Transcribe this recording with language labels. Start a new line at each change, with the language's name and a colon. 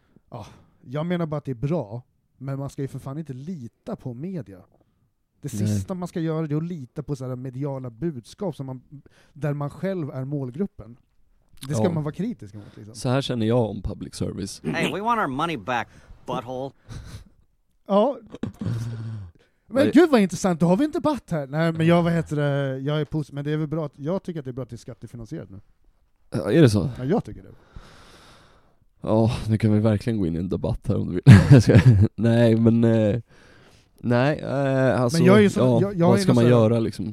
Swedish: Ja, jag menar bara att det är bra, men man ska ju för fan inte lita på media. Det sista man ska göra är att lita på sådana mediala budskap som man, där man själv är målgruppen. Det ska man vara kritisk mot. Liksom. Så här känner jag om public service.
English: Hey, we want our money back, butthole.
Swedish: Ja. Men gud vad intressant, då har vi en debatt här. Nej, men jag, vad heter det? Jag är positiv, men det är väl bra att, jag tycker att det är bra att det är skattefinansierat nu. Ja, är det så? Ja, jag tycker det. Ja, oh, nu kan vi verkligen gå in i en debatt här om du vill. Nej, men nej, alltså, men jag är så, ja, jag vad ska man göra? Liksom?